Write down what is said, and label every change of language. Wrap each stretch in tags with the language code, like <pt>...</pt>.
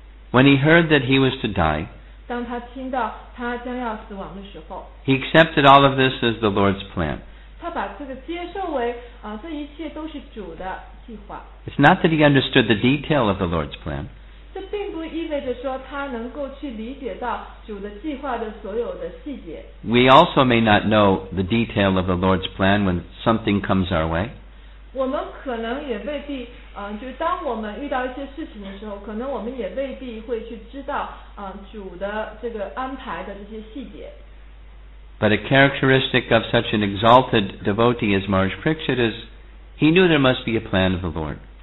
<en>When he heard that he was to die,</en> <zh>当他听到他将要死亡的时候,</zh> <en>he accepted all of this as the Lord's plan.</en> <zh>他把这个接受为这一切都是主的计划</zh> <en>It's not that he understood the detail of the Lord's plan.</en> <zh>这并不意味着说他能够去理解到主的计划的所有的细节</zh> <en>We also may not know the detail of the Lord's plan when something comes our way.</en> <zh>我们可能也未必就当我们遇到一些事情的时候可能我们也未必会去知道主的这个安排的这些细节</zh> <en>But a characteristic of such an exalted devotee as Maharaj Parikshit is, he knew there must be a plan of the Lord.</en>